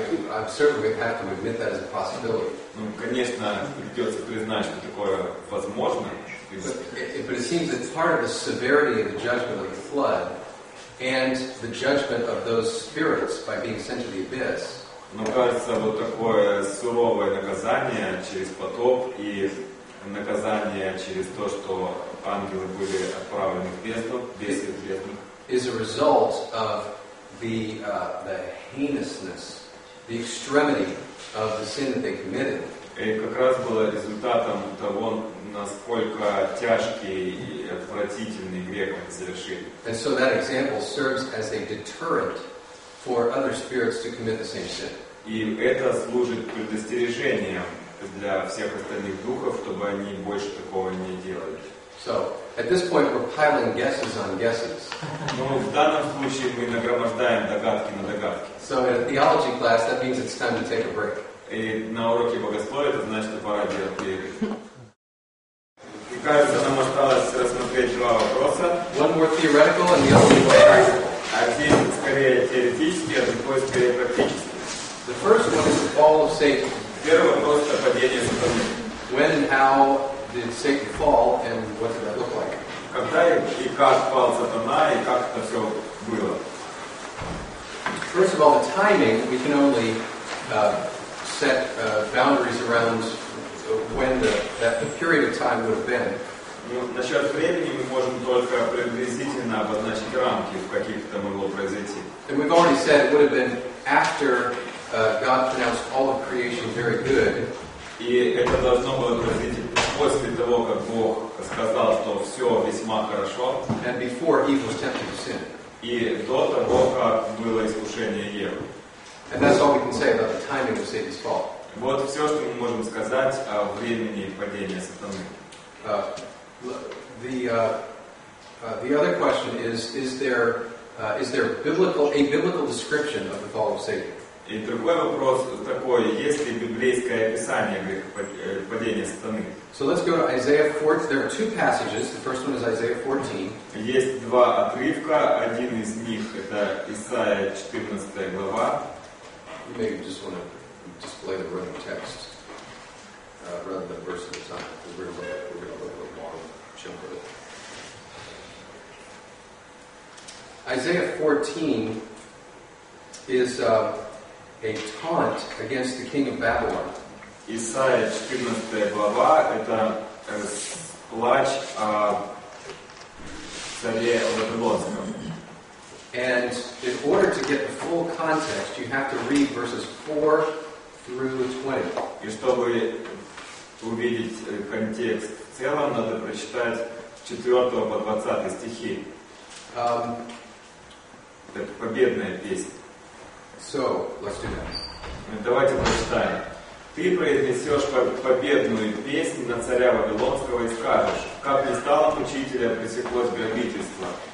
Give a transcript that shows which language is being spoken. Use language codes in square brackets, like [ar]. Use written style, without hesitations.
[en] I'm certainly going to have to admit that as a possibility. [ru] Ну, конечно, придется признать, что такое возможно. [en] But it seems that part of the severity of the judgment of the flood and the judgment of those spirits by being sent to the abyss. [ru] Но кажется, вот такое суровое наказание через потоп и наказание через то, что ангелы были отправлены в бездну, бездну. [en] Is a result of the heinousness, the extremity of the sin that they committed. [ru] И как раз было результатом того, насколько тяжкий и отвратительный грех они совершили. [en] And so that example serves as a deterrent for other spirits to commit the same sin. [ru] И это служит предостережением для всех остальных духов, чтобы они больше такого не делали. [en] So, at this point, we're piling guesses on guesses. [ru] Ну, в данном случае мы нагромождаем догадки на догадки. [en] So, in a theology class, that means it's time to take a break. [ru] И на уроке богословия это значит, что пора делать перерыв. И кажется, нам осталось рассмотреть два вопроса. [en] One more theoretical and the other more practical. [ru] Один скорее теоретический, а другой скорее практический. [en] The first one is the fall of Satan. [ru] Первый вопрос – это падение сатаны. [en] When and how did Satan fall, and what did that look like? [ru] Когда и как пал сатана, и как это все было? [en] First of all, the timing, we can only set boundaries around when the period of time would have been. [ru] Ну, насчет времени мы можем только приблизительно обозначить рамки, в каких это могло произойти. [en] And we've already said it would have been after God pronounced all of creation very good. [ru] И это должно было произойти после того, как Бог сказал, что все весьма хорошо. [en] And before Eve was tempted to sin. [ru] И до того, как было искушение Евы. [en] And that's all we can say about the timing of Satan's fall. [ru] Вот все, что мы можем сказать о времени падения сатаны. [en] The other question is there a biblical description of the fall of Satan? [ru] И другой вопрос такой, есть ли библейское описание падения сатаны? [en] So let's go to Isaiah 14. There are two passages. The first one is Isaiah 14. [ru] Есть два отрывка. Один из них это Исаия 14 глава. [en] You maybe just want to display the running text rather than verse at a time. We're going to look at the model. Isaiah 14 is a taunt against the king of Babylon. [ru] Исаия 14 глава это плач о царе Вавилонском. [en] And in order to get the full context, you have to read verses 4 through 20. [ru] И чтобы увидеть контекст в целом, надо прочитать с 4 по 20 стихи. Это победная песня. [en] So, let's do that. [ru] Давайте прочитаем. Ты произнесешь победную песнь на царя Вавилонского и скажешь, как не стало учителя, пресеклось грабительство.